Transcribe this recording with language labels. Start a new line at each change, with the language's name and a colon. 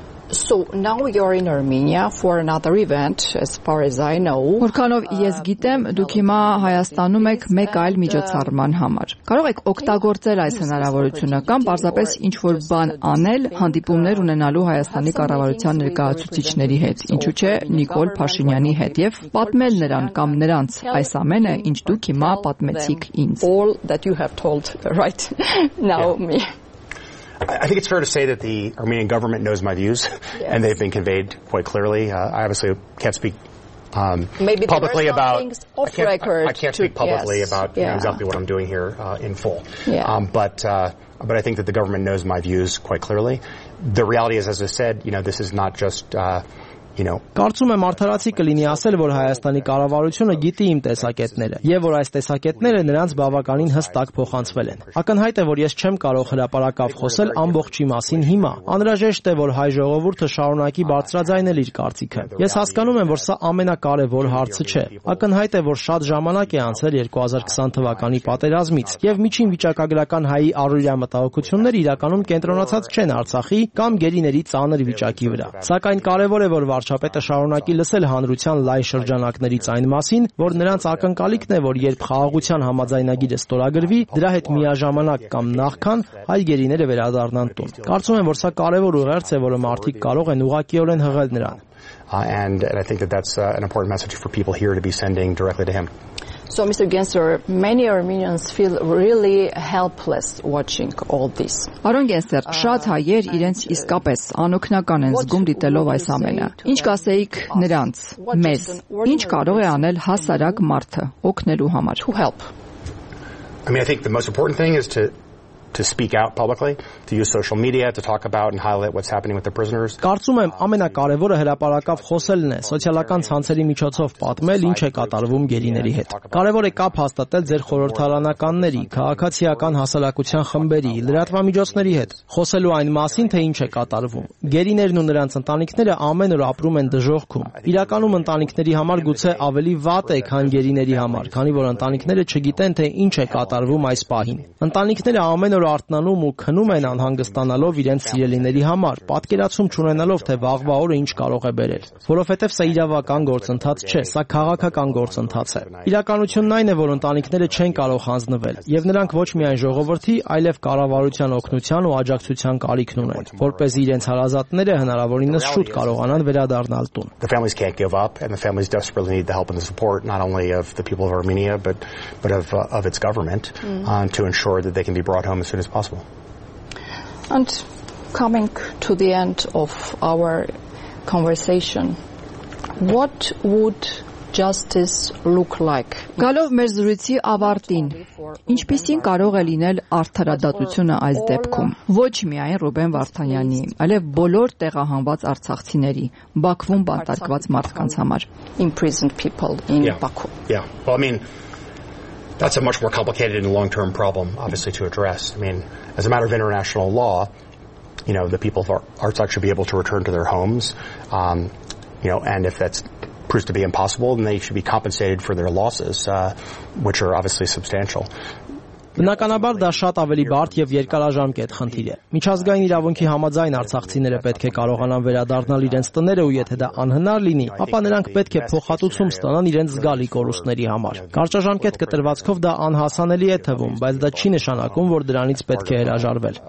English: So now you're in Armenia for another event, as far as I know.
Armenian: Որքանով ես գիտեմ, դուք հիմա Հայաստանում եք մեկ այլ միջոցառման համար։ Կարող եք օգտագործել այս հնարավորությունը կամ պարզապես ինչ-որ բան անել, հանդիպումներ ունենալու Հայաստանի կառավարության ներկայացուցիչների հետ, ինչու՞ չէ Նիկոլ Փաշինյանի հետ, եւ պատմել նրան կամ նրանց այս ամենը, ինչ դուք հիմա պատմեցիք ինձ։
English: All that you have told right now me. I think it's fair to say that the Armenian government knows my views, yes. And they've been conveyed quite clearly. I obviously can't speak publicly about. Exactly what I'm doing here in full. Yeah. But I think that the government knows my views quite clearly. The reality is, as I said, you know, this is not just.
Armenian: Կարծում եմ արդարացի կլինի ասել, որ Հայաստանի կառավարությունը գիտի իմ տեսակետները, եւ որ այս տեսակետները նրանց բավականին հստակ փոխանցվել են։ Ակնհայտ է, որ ես չեմ կարող հրապարակավ խոսել ամբողջի մասին հիմա։ Անհրաժեշտ է, որ հայ ժողովուրդը շարունակի բարձրաձայնել իր կարծիքը։ Ես հասկանում եմ, որ սա ամենակարևոր հարցը չէ։ Ակնհայտ է, որ շատ ժամանակ է անցել 2020 թվականի պատերազմից, եւ միջին վիճակագրական հայի առօրյա մտահոգությունները իրականում կենտրոնացած չեն Արցախի կամ գերիների ծանր վիճակի վրա։ Սակայն կարևոր է, որ Վարչապետը շարունակի լսել հանրության լայն շրջանակներից այն մասին, որ նրանց ակնկալիքն է, որ երբ խաղաղության համաձայնագիրը ստորագրվի, դրա հետ միաժամանակ կամ նախքան հայ գերիները վերադառնան տուն։ Կարծում եմ, որ սա կարևոր ուղերձ է, որը մարդիկ կարող են ուղղակիորեն հղել նրան։
English: And I think that's an important message for people here to be sending directly to him. So Mr. Gensler, many Armenians feel really helpless watching all this.
Armenian: Պարոն Գենսեր, շատ հայեր իրենց իսկապես անօգնական են զգում դիտելով այս ամենը։ Ինչ կասեիք նրանց, մեզ, ինչ կարող է անել հասարակ մարդը օգնելու համար?
English: To help. I mean, I think the most important thing is to speak out publicly, to use social media to talk about and highlight what's happening with the prisoners.
Armenian: Կարծում եմ ամենակարևորը հրապարակավ խոսելն է, սոցիալական ցանցերի միջոցով պատմել ինչ է կատարվում գերիների հետ։ Կարևոր է կապ հաստատել ձեր խորհրդարանականների, քաղաքացիական հասարակության խմբերի, լրատվամիջոցների հետ, խոսելու այն մասին, թե ինչ է կատարվում։ Գերիներն ու նրանց ընտանիքները ամեն օր ապրում են դժողքում։ Իրականում ընտանիքների համար գուցե ավելի վատ է, քան գերիների համար, քանի որ ընտանիքները չգիտեն, թե ինչ է կատարվում այս պահին։ Ընտանիքները ամեն որ արտնանում ու քնում են անհանգստանալով իրենց սիրելիների համար, պատկերացում չունենալով, թե վաղվա օրը ինչ կարող է բերել։ Որովհետև սա իրավական գործընթաց չէ, սա քաղաքական գործընթաց է։ Իրականությունն այն է, որ ընտանիքները չեն կարող հանձնվել, եւ նրանք ոչ միայն ժողովրդի, այլև կառավարության օգնության ու աջակցության կարիք ունեն, որպեսզի իրենց հարազատները հնարավորինս շուտ կարողանան վերադառնալ տուն։
English: The families can't give up and the families desperately need the help and the support not only of the people of Armenia but of its government to ensure that they can be brought home as soon as possible. And coming to the end of our conversation, what would justice look like?
Armenian: Գալով մեր զրույցի ավարտին, ինչպիսին կարող է լինել արդարադատությունը այս դեպքում? Ոչ միայն Ռուբեն Վարդանյանի, այլև բոլոր տեղահանված արցախցիների, Բաքվում բանտարկված մարդկանց համար.
English: Imprisoned people in Baku. Yeah. Well, I mean, that's a much more complicated and long-term problem, obviously, to address. I mean, as a matter of international law, you know, the people of Artsakh should be able to return to their homes, and if that's proves to be impossible, then they should be compensated for their losses, which are obviously substantial.
Armenian: Բնականաբար դա շատ ավելի բարդ եւ երկարաժամկետ խնդիր է։ Միջազգային իրավունքի համաձայն արցախցիները պետք է կարողանան վերադառնալ իրենց տները, ու եթե դա անհնար լինի, ապա նրանք պետք է փոխհատուցում ստանան իրենց զգալի կորուստների համար։ Կարճաժամկետ կտրվածքով դա անհասանելի է թվում, բայց դա չի նշանակում, որ դրանից պետք է հրաժարվել։